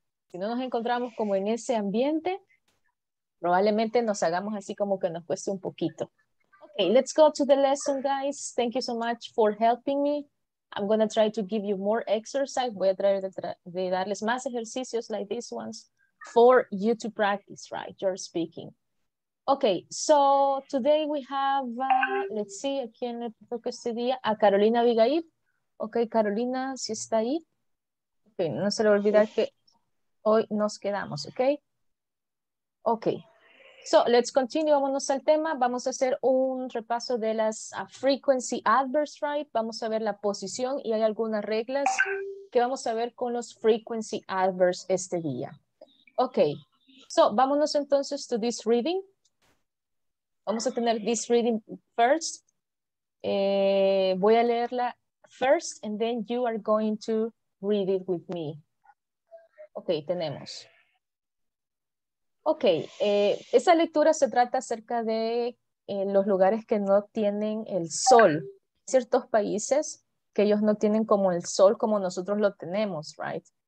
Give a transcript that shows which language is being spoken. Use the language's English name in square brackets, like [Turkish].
[Spanish] Si no nos encontramos como en ese ambiente, probablemente nos hagamos así como que nos cueste un poquito. [English] Okay, let's go to the lesson, guys. Thank you so much for helping me. I'm going to try to give you more exercise. [Spanish] Voy a tratar de darles más ejercicios [English] like these ones for you to practice, right? You're speaking. Okay, so today we have, let's see, [Spanish] ¿a quién le toca este día? [English] A Carolina Abigail. [Spanish] Okay, Carolina, si está ahí. Okay, no se le olvida que hoy nos quedamos, okay? Okay, so let's continue. Vámonos al tema. Vamos a hacer un repaso de las frequency adverbs, right? Vamos a ver la posición y hay algunas reglas que vamos a ver con los frequency adverbs este día. [English] Okay, so [Spanish] vámonos entonces [English] to this reading. [Spanish] Vamos a tener [English] this reading first. [Spanish] Voy a leerla [English] first and then you are going to read it with me. [Spanish] Okay, tenemos. Okay, esa lectura se trata acerca de los lugares que no tienen el sol. Ciertos países que ellos no tienen como el sol como nosotros lo tenemos, right?